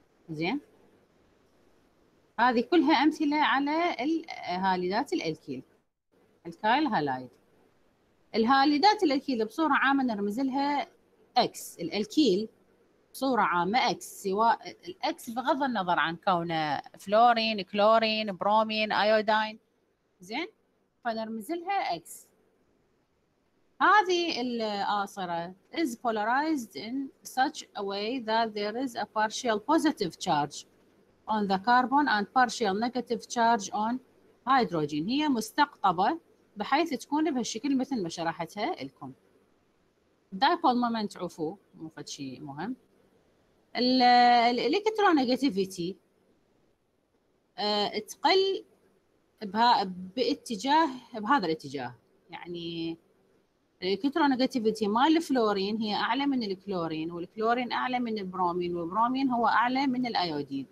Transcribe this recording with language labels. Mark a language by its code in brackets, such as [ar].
[ar] زين، هذه كلها أمثلة على الهاليدات الألكيل، الكايل هالايد. الهاليدات الألكيل بصورة عامة نرمز لها X، الألكيل صورة عامة اكس، سواء الاكس بغض النظر عن كونه فلورين كلورين برومين ايودين. زين، فنرمز لها اكس. هذه الآصرة [en] is polarized in such a way that there is a partial positive charge on the carbon and partial negative charge on hydrogen. [ar] هي مستقطبة بحيث تكون بهالشكل مثل ما شرحتها لكم. dipole moment عفو، مو فد شيء مهم. الالكترونيجاتيفيتي تقل باتجاه بهذا الاتجاه، يعني الالكترونيجاتيفيتي مال الفلورين هي اعلى من الكلورين، والكلورين اعلى من البرومين، والبرومين هو اعلى من الايودين.